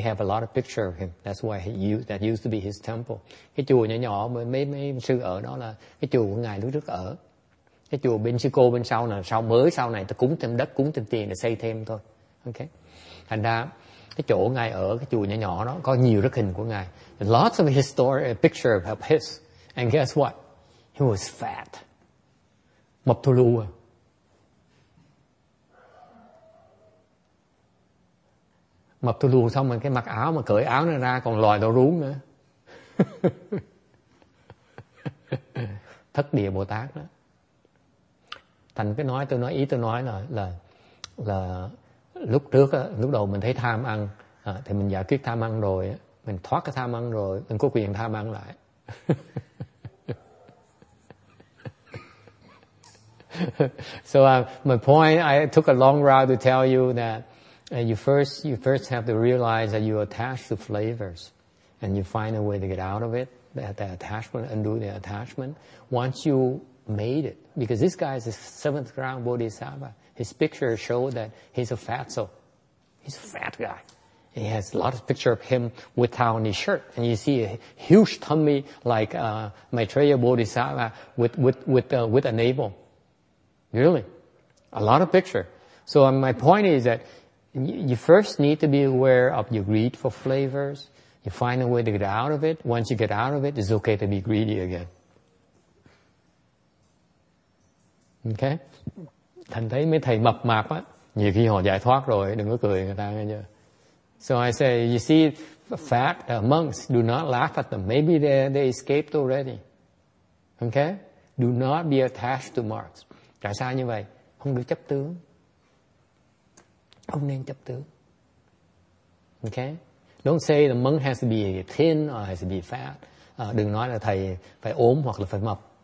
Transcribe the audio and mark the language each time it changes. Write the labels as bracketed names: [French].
[English] They have a lot of picture of him. That's why that used to be his temple. [Vietnamese] Cái chùa nhỏ mà mấy sư ở đó là cái chùa của ngài lúc trước ở. Cái chùa bên sư cô bên sau là sau mới sau này ta cúng thêm đất, cúng thêm tiền để xây thêm thôi. Okay. Thành ra cái chỗ ngài ở cái chùa nhỏ đó có nhiều rất hình của ngài. [English] Lots of historical picture of his. And guess what? He was fat. [Vietnamese] Mập thù lù à. Mập thù lù xong rồi cái mặc áo mà cởi áo nó ra còn lòi đầu rúng nữa. Thất địa Bồ Tát đó. Thành cái nói tôi nói ý tôi nói là lúc trước lúc đầu mình thấy tham ăn thì mình giải quyết tham ăn rồi, mình thoát cái tham ăn rồi, mình có quyền tham ăn lại. [English] So my point, I took a long route to tell you that you first have to realize that you are attached to flavors and you find a way to get out of it, that attachment, undo the attachment once you made it, because this guy is a seventh round Bodhisattva. His picture showed that he's a fatso. He's a fat guy. He has a lot of picture of him without any shirt. And you see a huge tummy like Maitreya Bodhisattva with a navel. Really. A lot of picture. So my point is that you first need to be aware of your greed for flavors. You find a way to get out of it. Once you get out of it, it's okay to be greedy again. Okay? [Vietnamese] Thành thấy mấy thầy mập mạp á, nhiều khi họ giải thoát rồi, đừng có cười người ta nghe chưa. [English] So I say, you see, fat monks, do not laugh at them. Maybe they escaped already. Okay? Do not be attached to marks. [Vietnamese] Tại sao như vậy? Không được chấp tướng. Không nên chấp tướng. Okay? [English] Don't say the monk has to be thin or has to be fat. [Vietnamese] Đừng nói là thầy phải ốm hoặc là phải mập.